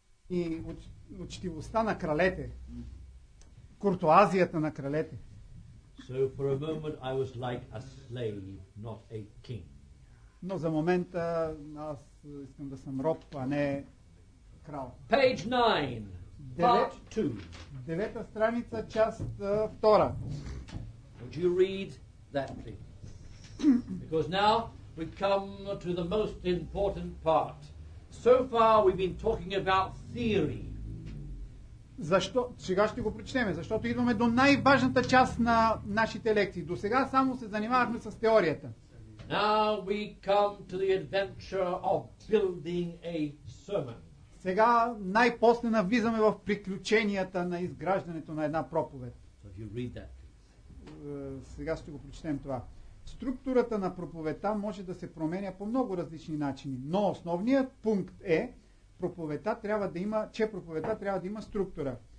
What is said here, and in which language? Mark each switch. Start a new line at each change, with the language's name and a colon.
Bulgarian: и учтивостта на кралете, куртуазията на кралете.
English: So for a moment I was like a slave, not a king.
Bulgarian: Но за момента аз искам да съм роб, а не крал.
English: Page 9, part 2.
Bulgarian: Девета страница, част втора.
English: Would you read that, please? Because now we come to the most important part. So far we've been talking about theory.
Bulgarian: Защо? Сега ще го прочнем, защото идваме до най-важната част на нашите лекции. До сега само се занимавахме с теорията.
English: Now we come to the adventure of building a sermon.
Bulgarian: Сега най-после навлизаме в приключенията на изграждането на една проповед.
English: So you read that.
Bulgarian: Сега ще го прочнем това. Структурата на проповедта може да се променя по много различни начини, но основният пункт е, проповедта трябва да има структура.